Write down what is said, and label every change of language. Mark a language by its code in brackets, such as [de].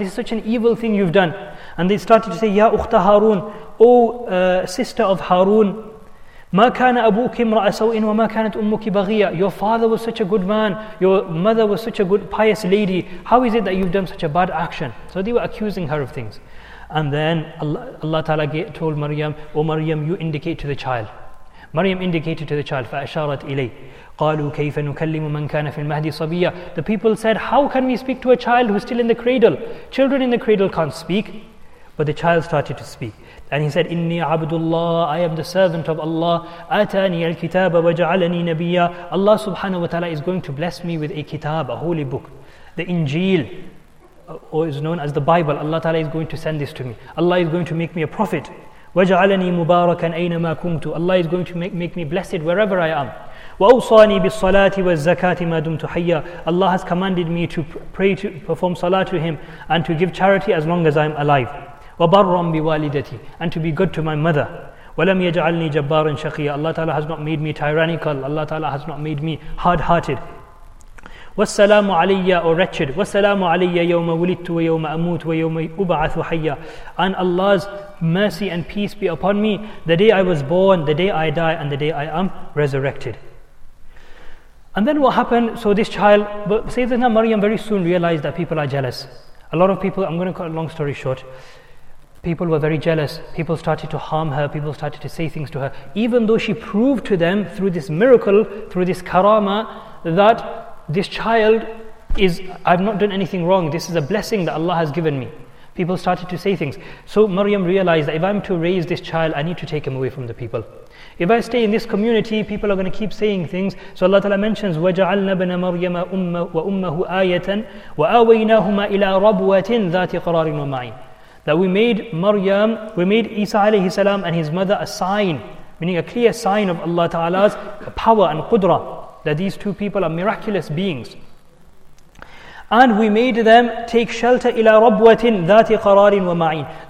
[en] This is such an evil thing you've done. And they started to say, [ar] Ya ukhta Harun, [en] sister of Harun, [ar] ma kana abuki imra'a saw'in wa ma kanat ummuki baghiya. [en] Your father was such a good man, your mother was such a good pious lady. How is it that you've done such a bad action? So they were accusing her of things. And then Allah Ta'ala told Maryam, oh Maryam, you indicate to the child. Maryam indicated to the child, [ar] فَأَشَارَتْ إِلَيْهِ قَالُوا كَيْفَ نُكَلِّمُ مَنْ كَانَ فِي الْمَهْدِ صَبِيًّا. [en] The people said, how can we speak to a child who's still in the cradle? Children in the cradle can't speak. But the child started to speak. And he said, [ar] إِنِّي عَبْدُ اللَّهِ, [en] I am the servant of Allah. [ar] أَتَانِيَ الْكِتَابَ وَجَعَلَنِي نَبِيًّا. [en] Allah subhanahu wa ta'ala is going to bless me with a kitab, a holy book. The Injil, or is known as the Bible. Allah Ta'ala is going to send this to me. Allah is going to make me a prophet. [ar] وَجَعَلَنِي مُبَارَكًا أَيْنَمَا كُنْتُ. [en] Allah is going to make me blessed wherever I am. [ar] وَأَوْصَانِي بِالصَّلَاةِ وَالزَّكَاةِ مَا دُمْتُ حَيَّا. [en] Allah has commanded me to pray, to perform salah to him, and to give charity as long as I am alive. [ar] وَبَرًّا بِوَالِدَتِي, [en] and to be good to my mother. [ar] وَلَمْ يَجْعَلْنِي جَبَّارًا شَقِيًّا. [en] Allah Ta'ala has not made me tyrannical. Allah Ta'ala has not made me hard-hearted. [ar] والسلام علي أو wretched. والسلام علي يوم ولدت ويوم أموت ويوم أبعث حيا. [en] And Allah's mercy and peace be upon me, the day I was born, the day I die, and the day I am resurrected. And then what happened? So this child, but Sayyidina Maryam very soon realized that people are jealous. A lot of people, I'm going to cut a long story short, people were very jealous. People started to harm her. People started to say things to her. Even though she proved to them through this miracle, through this karama, that this child is, I've not done anything wrong, this is a blessing that Allah has given me. People started to say things. So Maryam realized that if I'm to raise this child, I need to take him away from the people. If I stay in this community, people are going to keep saying things. So Allah Ta'ala mentions, [ar] وَجَعَلْنَا بَنَ مَرْيَمَ أُمَّهُ وَأُمَّهُ آيَةً وَآوَيْنَاهُمَا إِلَىٰ رَبْوَةٍ ذَاتِ قَرَارٍ وَمَعِينَ. [en] That we made Maryam, we made Isa alayhi salam and his mother a sign, meaning a clear sign of Allah Ta'ala's power and qudra, that these two people are miraculous beings. And we made them take shelter [ar] ila rabwatin dhati qararin wa ma'in.